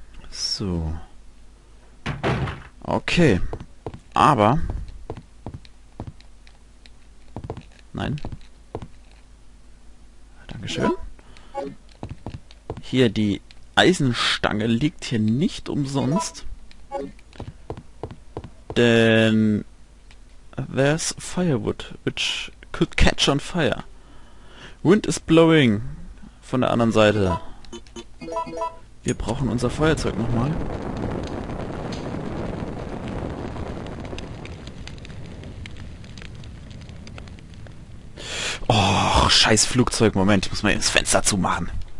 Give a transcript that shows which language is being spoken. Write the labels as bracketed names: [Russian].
[German] So. Okay. Aber. Nein. Dankeschön. Hier, die Eisenstange liegt hier nicht umsonst. Denn. [English] There's firewood, which could catch on fire. Wind is blowing. [German] Von der anderen Seite. Wir brauchen unser Feuerzeug nochmal. Scheiß Flugzeug, Moment, ich muss mal ins Fenster zumachen.